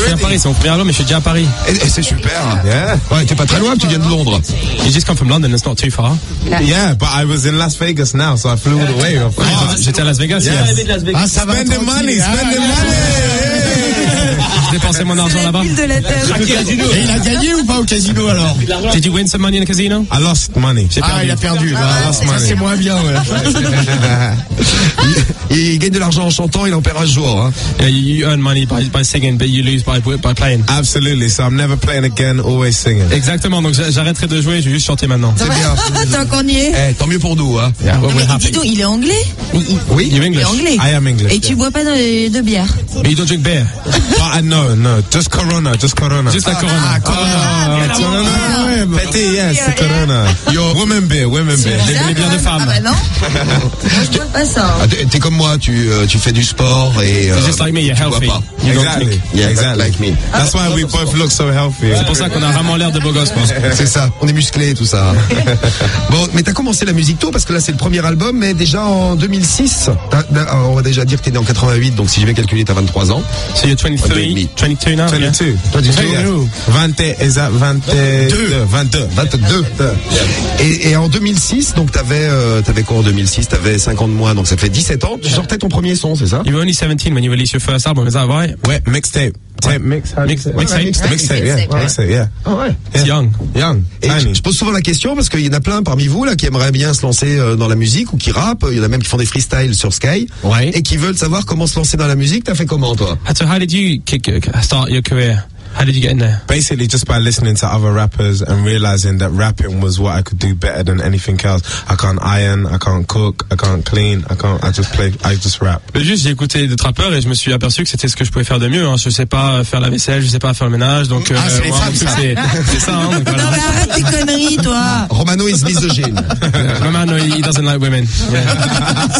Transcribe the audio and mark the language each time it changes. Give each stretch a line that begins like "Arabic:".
French: Je suis à Paris, c'est mon premier album, mais je suis déjà à Paris. Et c'est super.
English: Yeah.
French: Ouais, t'es pas très loin, tu viens de Londres.
English: You just come from London, it's not too far. Yeah, but I was in Las Vegas now, so I flew all the way. Oh,
French: j'étais à Las Vegas, yes.
English: Ah, ça spend the money, spend the money.
French: Je dépensais mon argent là-bas. De la terre. Et il a gagné ou pas au casino alors?
English: Did you win some money in the casino? I lost money.
French: J'ai perdu. Ah, il a perdu. Ah,
English: I lost money.
French: Ça, c'est moins bien. Ouais. Il gagne de l'argent en chantant, il en perd un jour. Hein.
English: Yeah, you earn money by singing, but you lose by playing. Absolutely. So I'm never playing again, always singing.
French: Exactement. Donc j'arrêterai de jouer, je vais juste chanter maintenant. C'est bien. Tant qu'on y est. Hey, tant mieux pour nous. Hein.
English: Yeah, well,
French: mais dis donc, il est anglais? Oui.
English: You're English.
French: Il est anglais.
English: I am English.
French: Et tu bois pas de bière?
English: You don't drink beer. But, no. Just Corona. Just like Corona.
French: Corona. Pété, yes, c'est Corona.
English: Yo, women beer, women beer.
French: J'ai les bières de femmes. Ah bah non. Moi, je bois pas ça. T'es comme moi, tu fais du sport et
English: just like me, you're healthy. You don't drink. Yeah, exactly. Like me. That's why we both look so healthy.
French: C'est pour ça qu'on a vraiment l'air de beaux gosses, moi. C'est ça, on est musclés, tout ça. Bon, mais t'as commencé la musique tôt, parce que là, c'est le premier album, mais déjà en 2006. On va déjà dire que t'es né en 88, donc si je vais calculer, t'as 23 ans.
English: So you're 22 now, yeah. 22.
French: Et en 2006, donc t'avais quoi en 2006? T'avais 50 mois, donc ça fait 17 ans. Tu sortais ton premier son, c'est ça?
English: You were only 17 when you released your first album, is that right?
French: Ouais, mixtape.
English: Young.
French: Je pose souvent la question parce qu'il y en a plein parmi vous là qui aimeraient bien se lancer dans la musique ou qui rappent. Il y en a même qui font des freestyles sur Sky et qui veulent savoir comment se lancer dans la musique. T'as fait comment toi?
English: So how did you start your career? How did you get in there? Basically, just by listening to other rappers and realizing that rapping was what I could do better than anything else. I can't iron, I can't cook, I can't clean, I just rap.
French: Juste, j'ai écouté des rappeurs et je me suis aperçu que c'était ce que je pouvais faire de mieux. Hein. Je sais pas faire la vaisselle, je sais pas faire le ménage, donc. Ah, c'est les femmes, c'est ça. C'est ça, hein, donc, voilà. Non, mais arrête tes conneries, toi.
English: Romano is misogyne. Romano, he doesn't like women. Yeah.